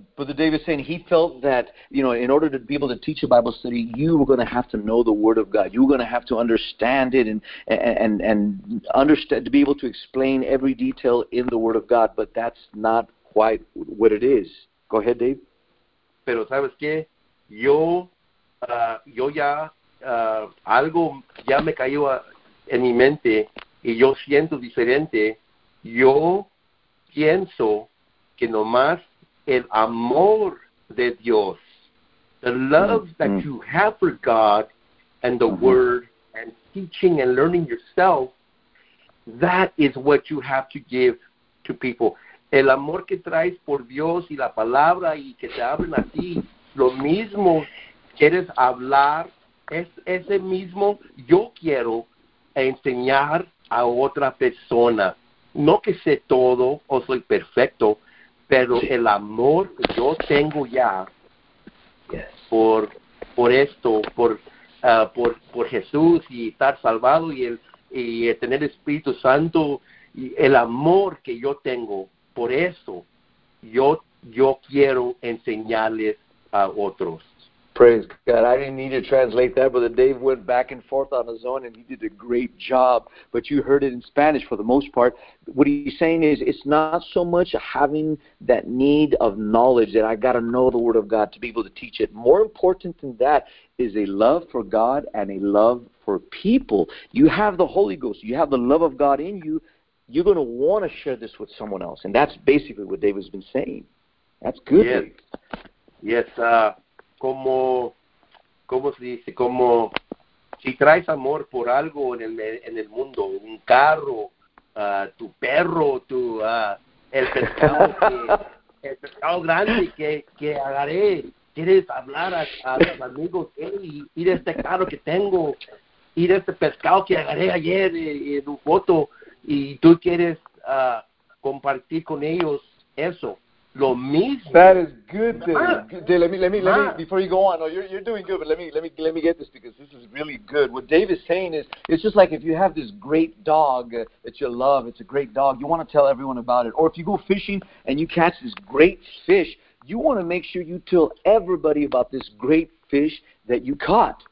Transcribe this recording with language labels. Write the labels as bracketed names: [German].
[English] But the Dave is saying he felt that, you know, in order to be able to teach a Bible study, you were going to have to know the Word of God. You were going to have to understand it and understand to be able to explain every detail in the Word of God. But that's not quite what it is. Go ahead, Dave. [Spanish] Pero sabes qué, yo ya algo me cayó en mi mente y yo siento diferente. Yo pienso que nomás el amor de Dios, [English] the love that you have for God and the Word and teaching and learning yourself, that is what you have to give to people. [Spanish] El amor que traes por Dios y la palabra y que te abren a ti, lo mismo quieres hablar, es ese mismo yo quiero enseñar a otra persona. No que sé todo o soy perfecto, pero el amor que yo tengo ya por Jesús y estar salvado y tener Espíritu Santo, y el amor que yo tengo por eso, yo quiero enseñarles a otros. [English] Praise God. I didn't need to translate that, but Dave went back and forth on his own, and he did a great job. But you heard it in Spanish for the most part. What he's saying is it's not so much having that need of knowledge that I got to know the Word of God to be able to teach it. More important than that is a love for God and a love for people. You have the Holy Ghost. You have the love of God in you. You're going to want to share this with someone else. And that's basically what Dave has been saying. That's good. Yes. [Spanish] Como se dice, como si traes amor por algo en el mundo, un carro, tu perro, el pescado grande que agarré, quieres hablar a los amigos, ir a este carro que tengo, ir a este pescado que agarré ayer en un foto, y tú quieres compartir con ellos eso. Lo mismo. [English] That is good, Dave. Let me before you go on. No, you're doing good, but let me get this because this is really good. What Dave is saying is, it's just like if you have this great dog that you love. It's a great dog. You want to tell everyone about it. Or if you go fishing and you catch this great fish, you want to make sure you tell everybody about this great fish that you caught.